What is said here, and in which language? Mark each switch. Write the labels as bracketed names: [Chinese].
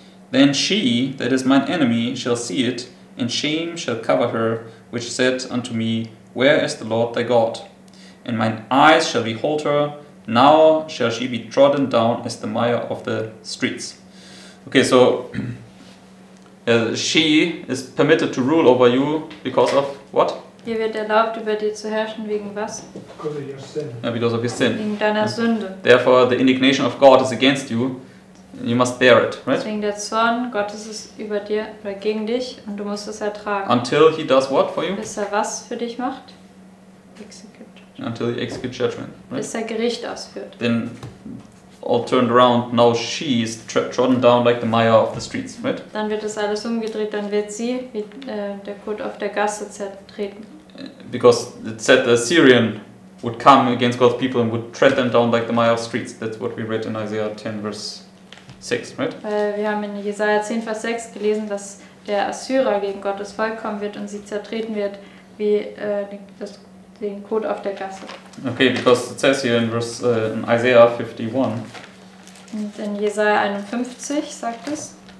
[English] Then she that is mine enemy shall see it, and shame shall cover her, which said unto me, Where is the Lord thy God? And mine eyes shall behold her, now shall she be trodden down as the mire of the streets. Okay, so she is permitted to rule over you because of what? [German] Ihr wird erlaubt, über dir zu herrschen, wegen was? [English] Because of your sin. Yeah, because of your sin. [German] Wegen deiner Sünde. [English] Therefore, the indignation of God is against you. You must bear it, right? [German] Deswegen der Zorn Gottes ist über dir oder gegen dich und du musst es ertragen. [English] Until he does what for you? [German] Bis er was für dich macht? [English] Execute. Until he executes judgment. Right? [German] Bis er Gericht ausführt. [English] Then all turned around, now she is trodden down like the mire of the streets, right? [German] Dann wird es alles umgedreht, dann wird sie wie der Kot auf der Gasse zertreten. [English] Because it said the Assyrian would come against God's people and would tread them down like the mire of the streets. That's what we read in Isaiah 10 verse 6, right? [German] Wir haben in Jesaja 10 Vers 6 gelesen, dass der Assyrer gegen Gottes Volk kommen wird und sie zertreten wird wie den Kot auf der Gasse. [English] Okay, because it says here in verse in Isaiah 51. [German] Und in Jesaja 51 sagt es.